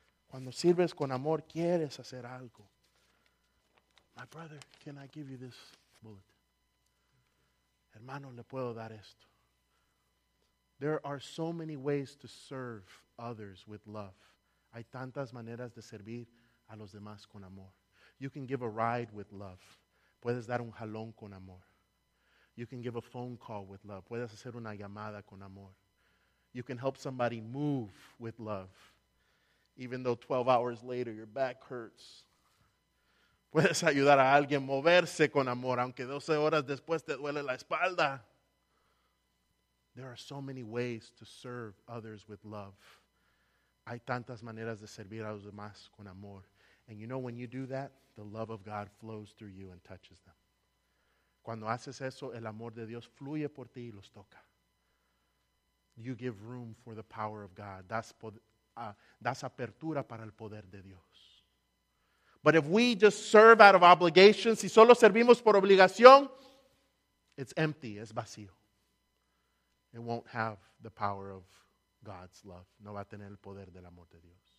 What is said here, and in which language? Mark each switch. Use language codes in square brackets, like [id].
[es] Cuando sirves con amor, quieres hacer algo. [en] My brother, can I give you this bulletin? [es] Hermano, le puedo dar esto. [en] There are so many ways to serve others with love. [es] Hay tantas maneras de servir a los demás con amor. [en] You can give a ride with love. [es] Puedes dar un jalón con amor. [en] You can give a phone call with love. [es] Puedes hacer una llamada con amor. [en] You can help somebody move with love. Even though 12 hours later your back hurts. [es] Puedes ayudar a alguien a moverse con amor, aunque 12 horas después te duele la espalda. [en] There are so many ways to serve others with love. [es] Hay tantas maneras de servir a los demás con amor. [en] And you know, when you do that, the love of God flows through you and touches them. [es] Cuando haces eso, el amor de Dios fluye por ti y los toca. [en] You give room for the power of God. [es] Das apertura para el poder de Dios. [en] But if we just serve out of obligation, [es] si solo servimos por obligación, [en] it's empty, [es] es vacío. [en] It won't have the power of God's love. [es] No va a tener el poder del amor de Dios.